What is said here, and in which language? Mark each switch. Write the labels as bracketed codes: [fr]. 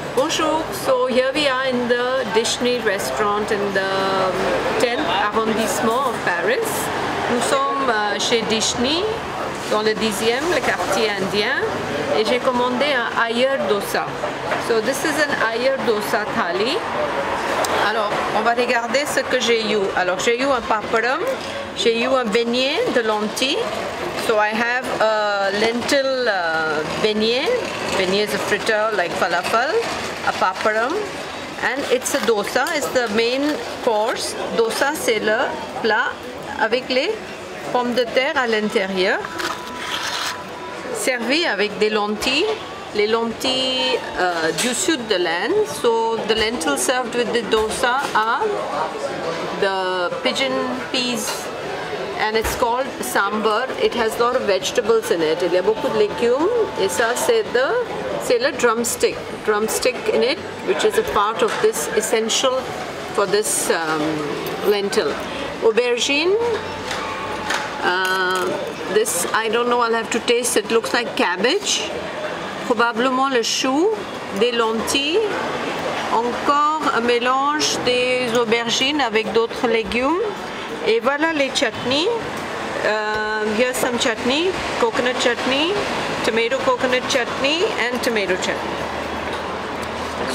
[en] Bonjour, so here we are in the Dishni restaurant in the 10th arrondissement of Paris. [fr] Nous sommes chez Dishni, dans le 10e, le quartier indien, et j'ai commandé un ayer dosa. [en] So this is an ayer dosa thali. [fr] Alors, on va regarder ce que j'ai eu. Alors, j'ai eu un papadum, j'ai eu un beignet de lentilles. [en] So I have a lentil beignet. Beignet is a fritter like falafel, a papadum, and it's a dosa. It's the main course. [fr] Dosa, c'est le plat avec les pommes de terre à l'intérieur, servi avec des lentilles. Les lentilles du sud de l'Inde. [en] So the lentil served with the dosa are the pigeon peas. And it's called sambar. It has a lot of vegetables in it. [fr] Il y a beaucoup de légumes. Et ça, c'est le drumstick. [en] Drumstick in it, which is a part of this, essential for this lentil. Aubergine. This, I don't know, I'll have to taste. It looks like cabbage. [fr] Probablement le chou, des lentilles, encore un mélange des aubergines avec d'autres légumes. Et voilà les chutneys. [en] Here's some chutney, coconut chutney, tomato coconut chutney and tomato chutney.